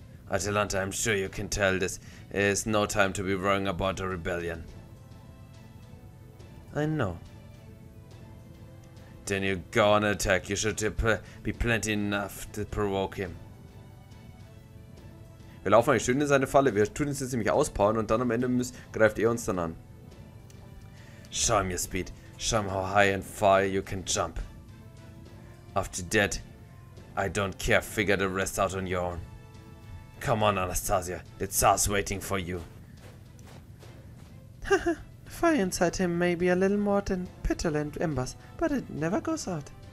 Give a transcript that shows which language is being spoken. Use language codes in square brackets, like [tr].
[en] Atalanta, I'm sure you can tell this is no time to be worrying about a rebellion. I know. Then you go on attack. You should be plenty enough to provoke him. [de] Wir laufen eigentlich schön in seine Falle. Wir tun uns jetzt nämlich auspowern und dann am Ende greift er uns dann an. [en] Show him your speed. Show him how high and far you can jump. After that, I don't care. Figure the rest out on your own. Come on, Anastasia. The Tsar's waiting for you. The fire inside him may be a little more than petulant embers, but it never goes out.